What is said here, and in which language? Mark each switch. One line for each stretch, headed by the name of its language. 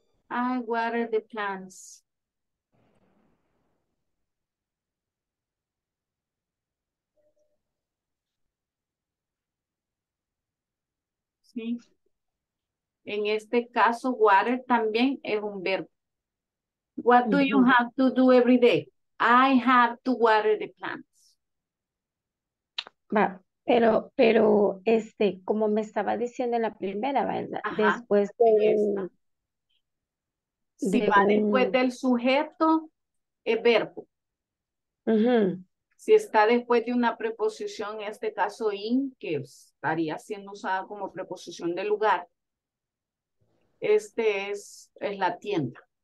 English: I water the plants.
Spanish: Sí. En este caso, water también es un verbo.
English: What do you have to do every day? I have to water the plants.
Spanish: Va, pero este, como me estaba diciendo en la primera, ¿verdad? Ajá, después de esta. Si va después del sujeto, es verbo. Uh-huh. Si está después de una preposición, en este caso in, que estaría siendo usada como preposición de lugar, este es la tienda.